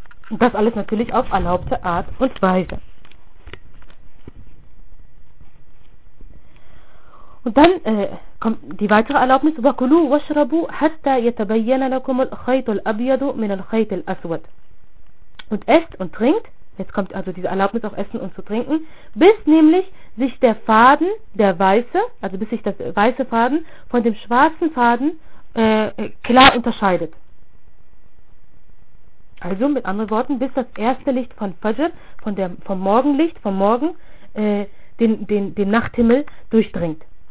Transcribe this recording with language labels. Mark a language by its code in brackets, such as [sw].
[de] Und das alles natürlich auf erlaubte Art und Weise. Und dann kommt die weitere Erlaubnis: [ar] وَكُلُوا وَشْرَبُوا حَتَّى يَتَبَيَّنَ لَكُمُ الْخَيْطُ الْأَبْيَضُ مِنَ الْخَيْطِ الْأَسْوَدِ. [de] Und esst und trinkt, jetzt kommt also diese Erlaubnis auf Essen und zu trinken, bis nämlich sich der Faden, der weiße, also bis sich das weiße Faden von dem schwarzen Faden klar unterscheidet. Also mit anderen Worten, bis das erste Licht von Fajr, vom Morgenlicht, vom Morgen, den Nachthimmel durchdringt.